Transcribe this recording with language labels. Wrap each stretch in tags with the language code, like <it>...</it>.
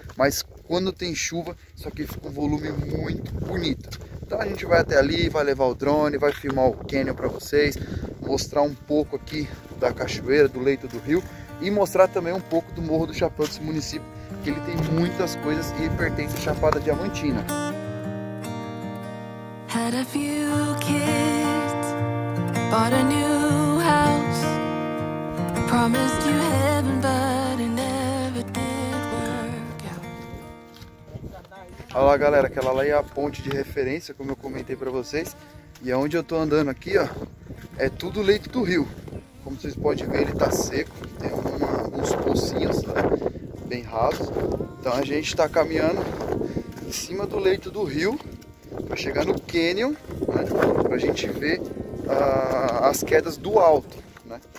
<pt>Mas quando tem chuva, isso aqui fica um volume muito bonito. Então a gente vai até ali, vai levar o drone, vai filmar o cânion para vocês, mostrar um pouco aqui da cachoeira, do leito do rio, e mostrar também um pouco do Morro do Chapéu desse município, que ele tem muitas coisas e pertence à Chapada Diamantina.</pt> <en>Had a few kids, bought a new house, promised you heaven, but it never did work out.</en> <pt>Olha lá, galera, aquela lá é a ponte de referência, como eu comentei pra vocês. E aonde eu tô andando aqui, ó, é tudo leito do rio. Como vocês podem ver, ele tá seco, tem alguns pocinhos, né, bem rasos. Então a gente tá caminhando em cima do leito do rio para chegar no cânion, né, para a gente ver as quedas do alto, né.</pt>